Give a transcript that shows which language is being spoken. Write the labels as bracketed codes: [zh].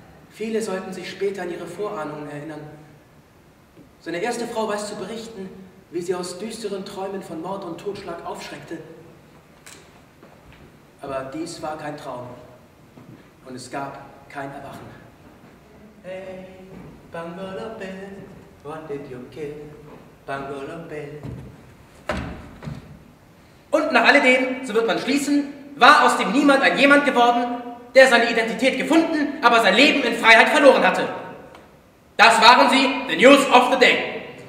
[de] Viele sollten sich später an ihre Vorahnungen erinnern. Seine erste Frau weiß zu berichten, wie sie aus düsteren Träumen von Mord und Totschlag aufschreckte. Aber dies war kein Traum. Und es gab kein Erwachen. [en] Hey, Bangalore, what did you kill? Bangalore. [de] Und nach alledem, so wird man schließen, war aus dem Niemand ein Jemand geworden, der seine Identität gefunden, aber sein Leben in Freiheit verloren hatte. Das waren sie, [en] the News of the Day.